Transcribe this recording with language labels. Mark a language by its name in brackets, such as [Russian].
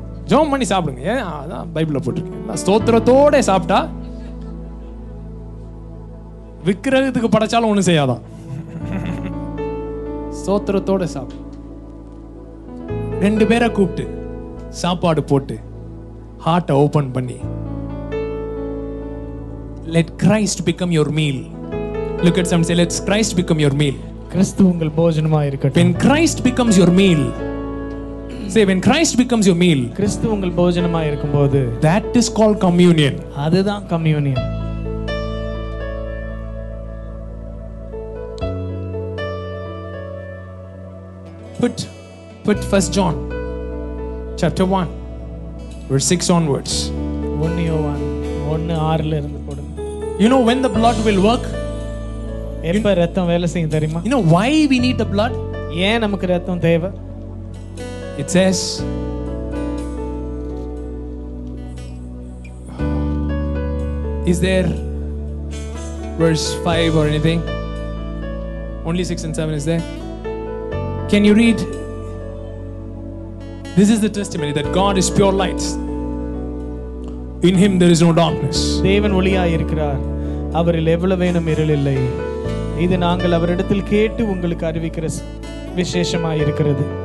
[Tamil] ஜோம் பண்ணி சாப்பிடுங்க, அதான் பைபிள்ல போட்டிருக்கேன். ஸ்தோத்திரத்தோட சாப்பிட்டா விக்கிரகத்துக்கு படைச்சாலும் ஒன்றும் செய்யாதான். ஸ்தோத்திரத்தோட சாப்பிடு. ரெண்டு பேரை கூப்பிட்டு சாப்பாடு போட்டு ஹார்ட்டை ஓபன் பண்ணி [English] let Christ become your meal. Look at some, say let Christ become your meal. [Tamil] கிறிஸ்து உங்கள் போஜனமா இருக்கட்டும். [English] When Christ becomes your meal, say when Christ becomes your meal, [Tamil] கிறிஸ்து உங்கள் போஜனமா இருக்கும்போது, [English] that is called communion. [Tamil] அதுதான் communion. [English] Put 1 John chapter 1 verse 6 onwards. [Tamil] 1 John 1:6 ல இருந்து போடு. [English] You know when the blood will work? [Tamil] எப்ப ரத்தம் வேலை செய்யும் தெரியுமா? [English] You know why we need the blood? [Tamil] ஏன் நமக்கு ரத்தம் தேவை? [English] It says is there verse 5 or anything? Only 6 and 7 is there. Can you read? This is the testimony that God is pure light. In him there is no darkness. [Tamil] தேவன் ஒளியாய் இருக்கிறார், அவரில் எவ்வளவேனும் இருள் இல்லை. இது நாங்கள் அவரிடத்தில் கேட்டு உங்களுக்கு அறிவிக்கிற விசேஷமாயிருக்கிறது.